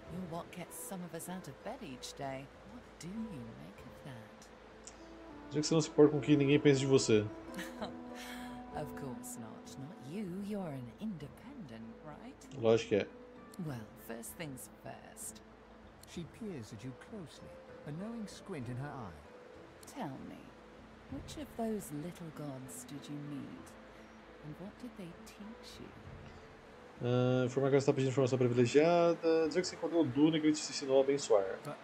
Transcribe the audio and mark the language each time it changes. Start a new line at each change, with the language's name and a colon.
English: What gets some of us out of bed each day? What do you make of that?
Portuguese: Diz que você não se importa com que ninguém pense de você.
English: Of course not. Not you. You're an independent, right?
Portuguese: Lógico que é.
English: Well, first things first. She peers at you closely, a knowing squint in her eye. Tell me, which of those little gods did you meet, and what did they teach you?
Portuguese: Informar que ela está pedindo informação privilegiada. Dizer que você encontrou o Duna que ele te ensinou a abençoar.